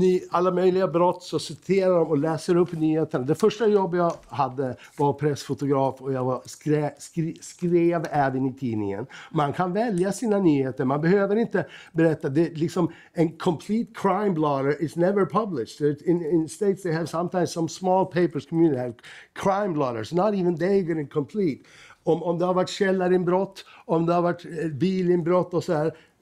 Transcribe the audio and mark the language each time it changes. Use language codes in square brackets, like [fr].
[sv] Alla möjliga brott, så citerar de och läser upp nyheterna. Det första jobb jag hade var pressfotograf, och jag skrev även i tidningen. Man kan välja sina nyheter, man behöver inte berätta. Det är liksom en [en] complete crime blotter is never published. In states they have sometimes some small papers community have crime blotters. Not even they are going to complete. [sv] Om det har varit källarinbrott, om det har varit bilinbrott och så här.